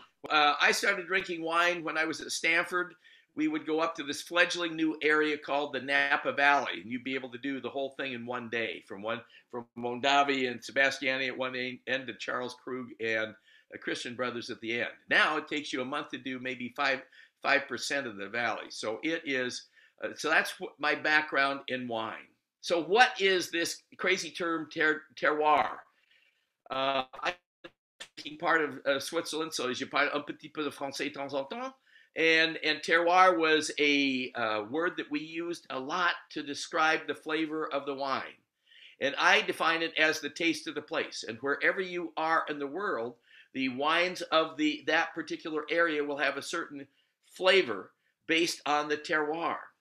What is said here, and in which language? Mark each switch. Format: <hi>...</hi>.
<en>I started drinking wine when I was at Stanford. We would go up to this fledgling new area called the Napa Valley, and you'd be able to do the whole thing in one day, from Mondavi and Sebastiani at one end to Charles Krug and Christian Brothers at the end. Now it takes you a month to do maybe 5% of the valley. So it is. So that's my background in wine. So what is this crazy term, terroir? I'm part of Switzerland, so</en> <fr>je parle un petit peu de français de temps en temps.</fr> <en>And terroir was a word that we used a lot to describe the flavor of the wine. And I define it as the taste of the place. And wherever you are in the world, the wines of that particular area will have a certain flavor based on the terroir.</en>